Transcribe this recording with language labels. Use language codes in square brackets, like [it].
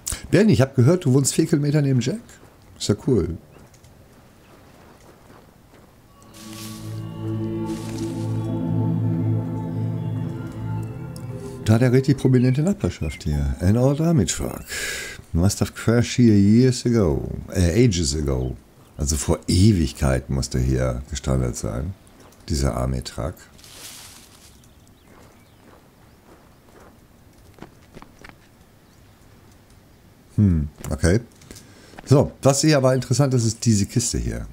[de] Bernie, ich habe gehört, du wohnst 4 Kilometer neben Jack. Ist ja cool. Da hat er richtig prominente Nachbarschaft hier. [en] An old Army Truck. Must have crashed here years ago. Ages ago. [de] Also vor Ewigkeit muss der hier gestrandet sein. Dieser Army Truck. Okay. So, was hier aber interessant ist, ist diese Kiste hier.